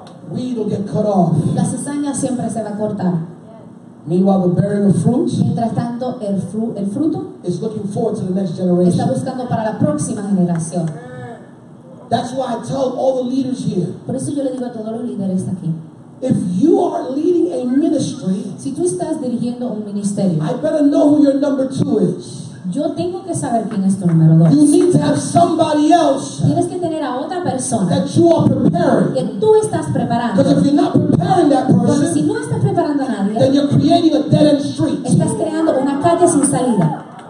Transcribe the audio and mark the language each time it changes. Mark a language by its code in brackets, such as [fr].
[en] Weed will get cut off. [es] La cizaña siempre se va a cortar. [en] Meanwhile, the bearing of fruit, [es] mientras tanto, el fruto [en] is looking forward to the next generation. [es] Está buscando para la próxima generación. [en] That's why I tell all the leaders here. [es] Por eso yo le digo a todos los líderes aquí. [en] If you are leading a ministry, [es] si tú estás dirigiendo un ministerio, [en] I better know who your number two is. [es] Yo tengo que saber quién es tu número dos. [en] You need to have somebody else. [es] Tienes que tener a otra persona [en] that you are preparing. [es] Que tú estás preparando. [en] Because if you're not preparing that person, [es] porque si no estás preparando a nadie, [en] then you're creating a dead end street. [es] Estás creando una calle sin salida.